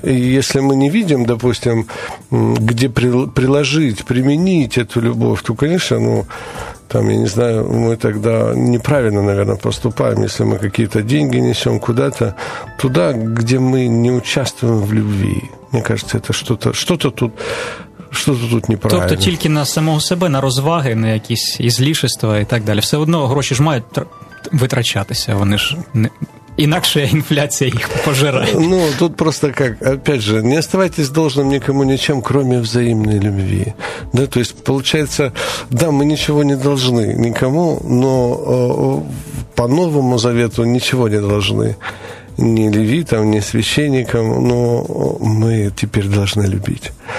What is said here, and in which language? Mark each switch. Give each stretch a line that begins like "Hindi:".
Russian: И если мы не видим, допустим, где приложить, применить эту любовь, то, конечно, ну, там, я не знаю, мы тогда неправильно, наверное, поступаем, если мы какие-то деньги несем куда-то, туда, где мы не участвуем в любви.
Ukrainian: Мені кажеться, це щось тут неправильно. Тобто тільки на самого себе, на розваги, на якісь ізлішества і так далі. Все одно гроші ж мають витрачатися, вони ж не... Інакше інфляція їх пожирає. Ну, тут просто як,
Russian: опять же, не оставайтесь должным никому ничем, кроме взаимной любви. Да, то есть, получается, да, мы ничего не должны никому, но по Новому Завету ничего не должны. Ни левитам, ни священникам, но мы теперь должны любить.